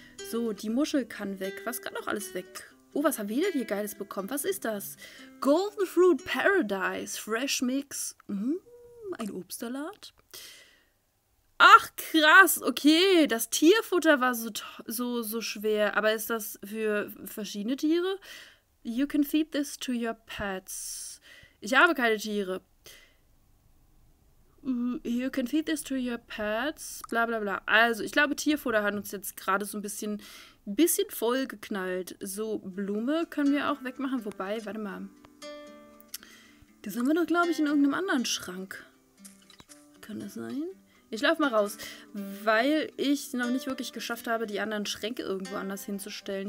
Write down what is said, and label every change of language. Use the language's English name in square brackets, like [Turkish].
[German] So, die Muschel kann weg. Was kann noch alles weg? Oh, was haben wir denn hier Geiles bekommen? Was ist das? Golden Fruit Paradise. Fresh Mix. Ein Obstsalat. Ach, krass, okay. Das Tierfutter war so schwer. Aber ist das für verschiedene Tiere? [English] You can feed this to your pets. [German] Ich habe keine Tiere. [English] You can feed this to your pets. Bla bla bla. [German] Also, ich glaube, Tierfutter hat uns jetzt gerade so ein bisschen vollgeknallt. So, Blume können wir auch wegmachen. Wobei, warte mal. Das haben wir doch, glaube ich, in irgendeinem anderen Schrank. Kann das sein? Ich laufe mal raus, weil ich noch nicht wirklich geschafft habe, die anderen Schränke irgendwo anders hinzustellen.